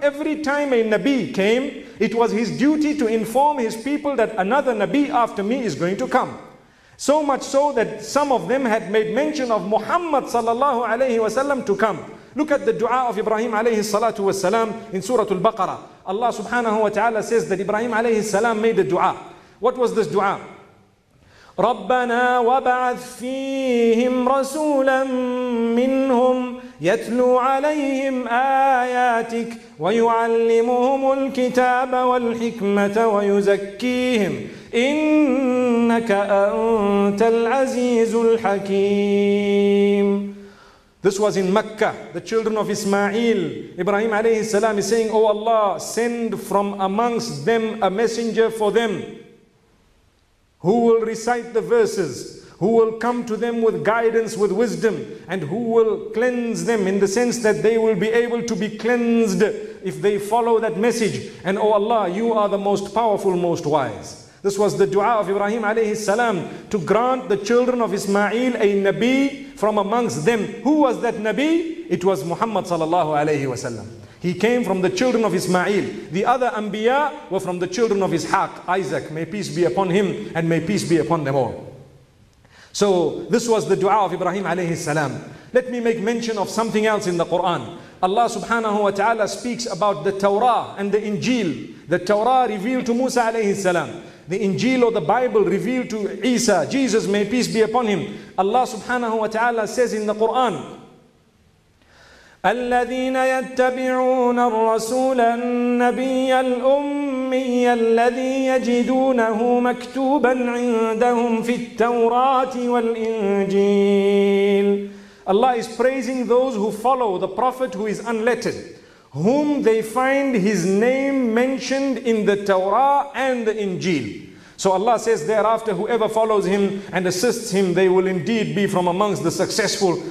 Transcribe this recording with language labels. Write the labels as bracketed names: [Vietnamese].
[English] Every time a Nabi came, it was his duty to inform his people that another Nabi after me is going to come. So much so that some of them had made mention of Muhammad sallallahu alayhi wasallam to come. Look at the dua of Ibrahim alayhi salatu wasalam in Surah Al-Baqarah. Allah subhanahu wa ta'ala says that Ibrahim alayhi salam made a dua. What was this dua? [Arabic] رَبَّنَا وَبَعَثْ فِيهِمْ رَسُولًا مِّنْهُمْ يَتْلُو عَلَيْهِمْ آيَاتِكَ وَيُعَلِّمُهُمُ الْكِتَابَ وَالْحِكْمَةَ وَيُزَكِّيهِمْ إِنَّكَ أَنْتَ الْعَزِيزُ الْحَكِيمُ [English] This was in Mecca. The children of Ismail, Ibrahim alayhi salam, is saying, O Allah, send from amongst them a messenger for them. Who will recite the verses? Who will come to them with guidance, with wisdom? And who will cleanse them in the sense that they will be able to be cleansed if they follow that message? And O Allah, you are the most powerful, most wise. This was the dua of Ibrahim alayhi salam to grant the children of Ismail a Nabi from amongst them. Who was that Nabi? It was Muhammad sallallahu alayhi wasallam. He came from the children of Ismail. The other Anbiya were from the children of Ishaq, Isaac. May peace be upon him and may peace be upon them all. So this was the dua of Ibrahim alayhi salam. Let me make mention of something else in the Quran. Allah subhanahu wa ta'ala speaks about the Torah and the Injil. The Torah revealed to Musa alayhi salam. The Injil or the Bible revealed to Isa, Jesus, may peace be upon him. Allah subhanahu wa ta'ala says in the Quran, [Arabic] الذين يتبعون الرسول النبي الأمي الذي يجدونه مكتوبا عندهم في التوراة والإنجيل [English] Allah is praising those who follow the prophet who is unlettered, whom they find his name mentioned in the Torah and the Injil. So Allah says thereafter, whoever follows him and assists him, they will indeed be from amongst the successful.